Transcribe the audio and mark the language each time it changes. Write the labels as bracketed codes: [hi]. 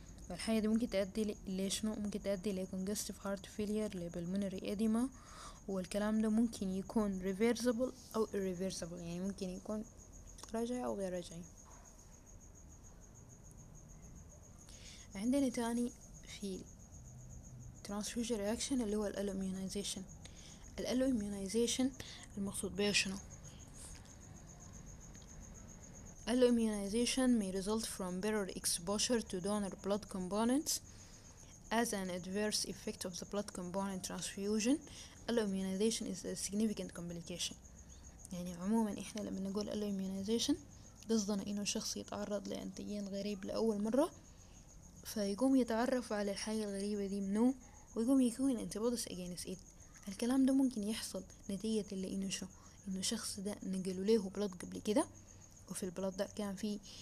[ar] والحاجة دي ممكن تؤدي لشنو ممكن تؤدي لكونجستيف هارت فيلير لبلمونري اديما، والكلام ده ممكن يكون ريفيرسبل او ريفيرسبل، يعني ممكن يكون راجعي او غير راجعي. عندنا تاني في transfusion reaction اللي هو الالوميونيزيشن. الالوميونيزيشن المقصود به شنو؟ [en] الالوميونيزيشن may result from better exposure to donor blood components as an adverse effect of the blood component transfusion. الالوميونيزيشن is a significant complication. [ar] يعني عموما احنا لما نقول الالوميونيزيشن قصدنا انه شخص يتعرض لانتيجين غريب لاول مرة، فيقوم يتعرف على الحاجة الغريبة دي منو ويقوم يكون انتبودس اجينس ايد. الكلام ده ممكن يحصل نتيجة اللي انه شو انه شخص ده نقلوا له بلد قبل كده، وفي البلد ده كان في